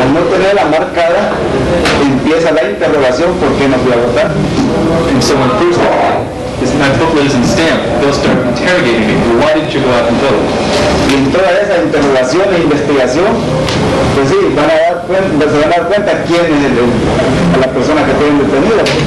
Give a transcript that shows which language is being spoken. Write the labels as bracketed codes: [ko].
[es] Al no tenerla marcada, empieza la interrogación por qué no fui a votar. [en] And so when first of all, this booklet isn't stamped, they'll start interrogating me. Well, why didn't you go out and vote? [es] Y en toda esa interrogación e investigación, pues sí, van a dar cuenta, se van a dar cuenta quién es el a la persona que tienen detenida.